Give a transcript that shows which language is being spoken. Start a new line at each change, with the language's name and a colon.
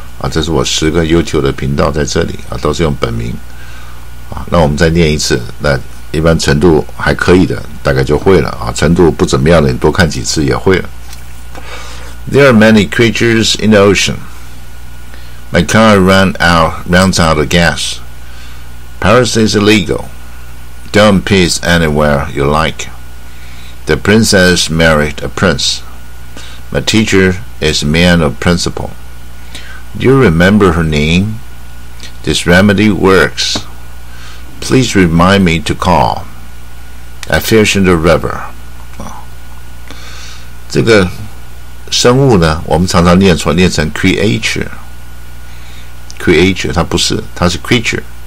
Chinese: 这是我十个 YouTube 的频道在这里、都是用本名、那我们再念一次，那一般程度还可以的大概就会了、程度不怎么样的你多看几次也会了。
English: There are many creatures in the ocean. My car runs out of gas. Piracy is illegal. Don't piss anywhere you like. The princess married a prince. My teacher is a man of principle. Do you remember her name? This remedy works. Please remind me to call. I fish in the river.
Chinese: 这个生物呢，我们常常念错，念成 creature， 它不是，它是 creature。